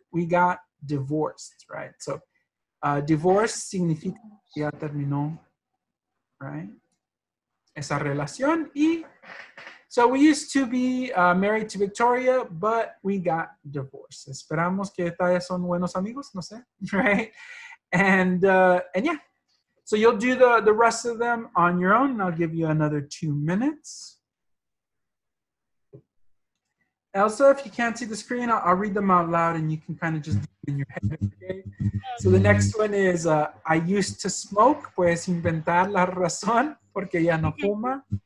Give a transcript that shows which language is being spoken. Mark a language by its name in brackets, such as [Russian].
[English] We got divorced, right? So divorce [Spanish] significa ya terminó, [English] right? [Spanish] esa relación. [English] Y so we used to be married to Victoria, but we got divorced. [Spanish] Esperamos que todavía son buenos amigos, no sé, right? [English] And yeah, so you'll do the rest of them on your own, and I'll give you another 2 minutes. Elsa, if you can't see the screen, I'll read them out loud, and you can kind of just do it in your head. Okay? So the next one is, I used to smoke. [Spanish] Puedes inventar la razón porque ya no fuma.